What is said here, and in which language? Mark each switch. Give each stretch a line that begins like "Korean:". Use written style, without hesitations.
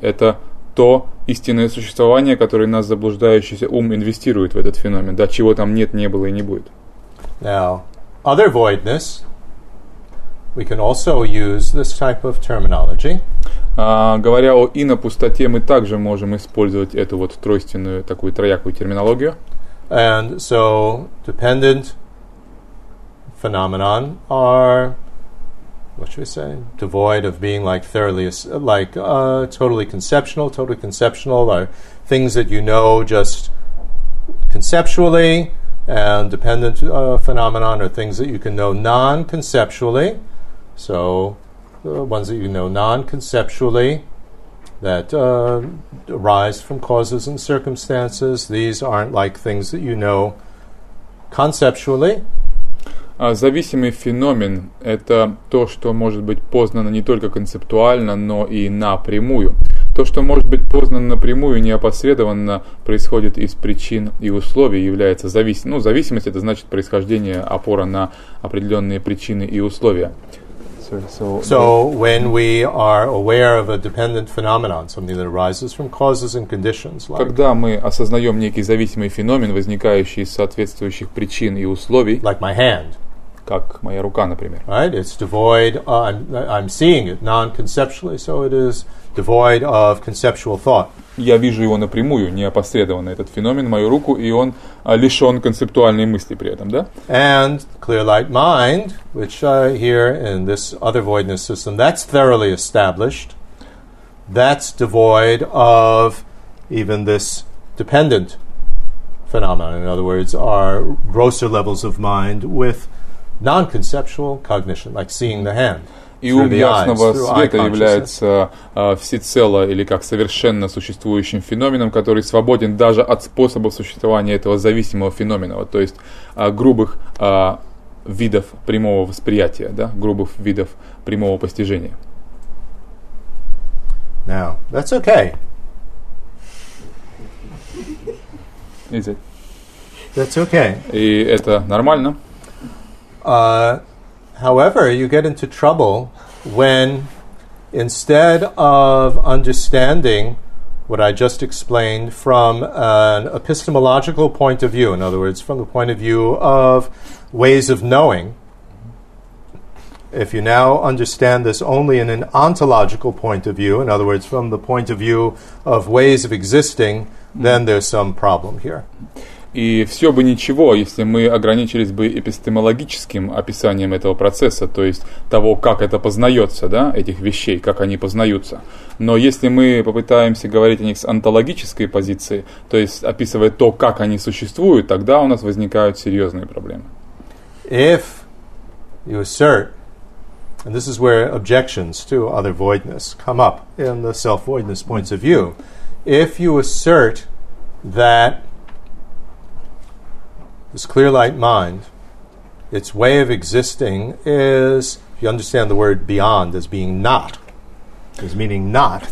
Russian: Это то истинное существование, которое наш заблуждающийся ум инвестирует в этот феномен, да, чего там нет, не было и не будет.
English: Now, other voidness, we can also use this type of terminology.
Russian: Говоря о инопустоте, мы также можем использовать эту вот тройственную, такую троякую терминологию.
English: And so, dependent phenomenon are, what should we say, devoid of being like thoroughly, like totally conceptual. Totally conceptual are things that you know just conceptually. And dependent phenomenon are things that you can know non-conceptually. So, ones that you know non-conceptually that arise from causes and circumstances. These aren't like things that you know conceptually.
Russian: Зависимый феномен – это то, что может быть познано не только концептуально, но и напрямую. То, что может быть познано напрямую, неопосредованно, происходит из причин и условий, является зависимым. Ну, зависимость – это значит происхождение, опора на определенные причины и условия.
English: sorry. So, so when we are aware of a dependent phenomenon, something that arises from causes and conditions, like,
Russian: когда мы осознаем некий зависимый феномен, возникающий из соответствующих причин и условий,
English: like my hand,
Russian: как моя рука, например,
English: right? It's devoid. I'm seeing it non-conceptually, so it is devoid of conceptual thought.
Russian: Я вижу его напрямую, неопосредованно, этот феномен, мою руку, и он лишен концептуальной мысли при этом, да?
English: And clear light mind, which here in this other voidness system, that's thoroughly established, that's devoid of even this dependent phenomenon. In other words, our grosser levels of mind with non-conceptual cognition, like seeing the hand.
Russian: И ум ясного света является всецело или как совершенно существующим феноменом, который свободен даже от способов существования этого зависимого феномена, вот, то есть грубых видов прямого восприятия, да, грубых видов прямого постижения.
English: Now, that's okay. Is it? That's okay.
Russian: И это нормально.
English: However, you get into trouble when instead of understanding what I just explained from an epistemological point of view, in other words, from the point of view of ways of knowing, if you now understand this only in an ontological point of view, in other words, from the point of view of ways of existing, then there's some problem here.
Russian: И все бы ничего, если мы ограничились бы эпистемологическим описанием этого процесса, то есть того, как это познается, да, этих вещей, как они познаются. Но если мы попытаемся говорить о них с онтологической позиции, то есть описывая то, как они существуют, тогда у нас возникают серьезные проблемы.
English: If you assert, and this is where objections to other voidness come up in the self-voidness points of view, if you assert that this clear light mind, its way of existing is, if you understand the word beyond as being not, as meaning not.